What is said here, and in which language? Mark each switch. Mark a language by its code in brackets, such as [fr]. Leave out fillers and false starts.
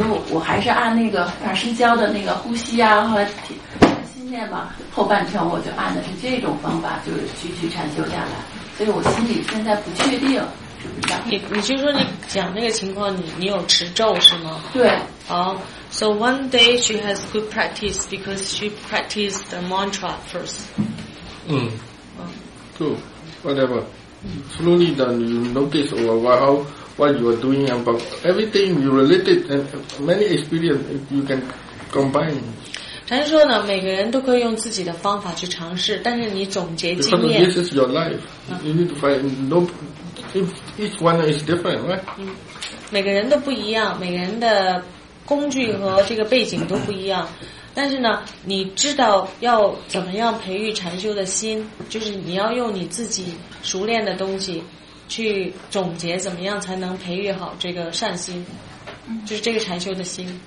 [zh] 我还是按那个法师教的那个呼吸啊和心念吧。后半天我就按的是这种方法，就是继续禅修下来，所以我心里现在不确定。你就说你讲那个情况，你有持咒是吗？对。 [en] So one day she has good practice because she practiced the mantra first. Good. Whatever. Slowly then you notice or what you are doing about everything you related and many experience you can combine. [zh] 禅师说呢，每个人都可以用自己的方法去尝试，但是你总结经验。 [en] Because this is your life. You need to find no. Each one is different, right? [zh] 每个人都不一样，每个人的工具和这个背景都不一样。但是呢，你知道要怎么样培育禅修的心，就是你要用你自己熟练的东西去总结怎么样才能培育好这个善心，就是这个禅修的心。